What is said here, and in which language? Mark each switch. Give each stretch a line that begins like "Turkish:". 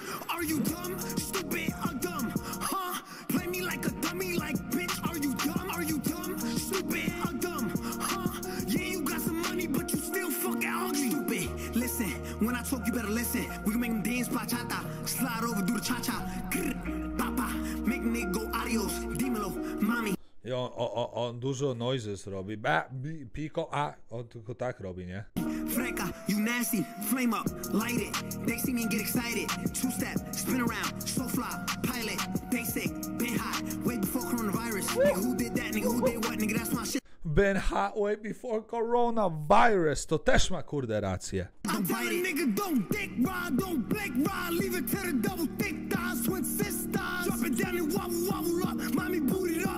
English: Are you dumb, stupid or dumb, huh? Play me like a dummy, like bitch. Are you dumb, stupid or dumb, huh? Yeah, you got some money, but you still fucking ugly. Stupid, listen, when I talk, you better listen. We can make them dance, bachata, slide over, do the cha-cha. Grr, papa, make me go adios, dimelo, mommy.
Polish: I on dużo noises robi, ba, pico, a, on tylko tak robi, nie?
English: Freka, you nasty, flame up, light it, they see me and get excited, two step, spin around, so fly, pilot, basic, been hot, way before coronavirus, nigga who did that, nigga who did what, nigga that's my shit. Been hot way before coronavirus,
Polish: to też ma kurde rację.
English: I'm fighting, nigga don't dick ride, don't blink ride, leave it to the double thick thighs, twin sisters, drop it down and wobble wobble up, mommy booty.